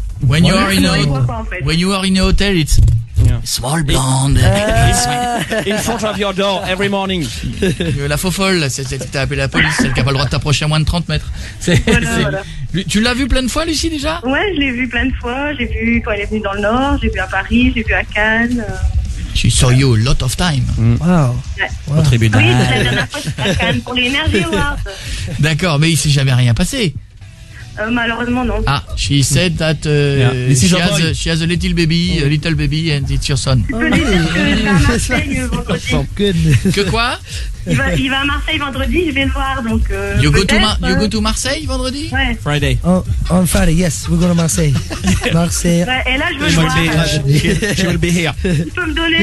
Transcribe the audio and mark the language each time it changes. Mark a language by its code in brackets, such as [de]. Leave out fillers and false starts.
[en] When you are in a hotel, it's small blonde. In front of your door every morning. [fr] La fofolle, c'est t'as appelé la police, celle qui a pas le droit de t'approcher à moins de 30 mètres. Voilà. Tu l'as vu plein de fois, Lucie, déjà? Ouais, je l'ai vu plein de fois. J'ai vu quand elle est venue dans le Nord, j'ai vu à Paris, j'ai vu à Cannes. [en] She saw you a lot of time. Wow. [fr] Au tribunal. Oui, la dernière fois, c'était à Cannes pour l'Energy Awards. D'accord, mais il s'est jamais rien passé. Malheureusement, non. [en] Ah, she said that she has a little baby, a little baby, and it's your son. [fr] Tu peux dire que je vais à Marseille vendredi. Que quoi? Il va à Marseille vendredi, je vais le voir, donc [en] You go to Marseille vendredi? [fr] Ouais. [en] Friday. On Friday, yes, we go to Marseille. Marseille. [fr] Ouais, et là, je veux le voir. [en] She will be here. [fr] Tu peux me donner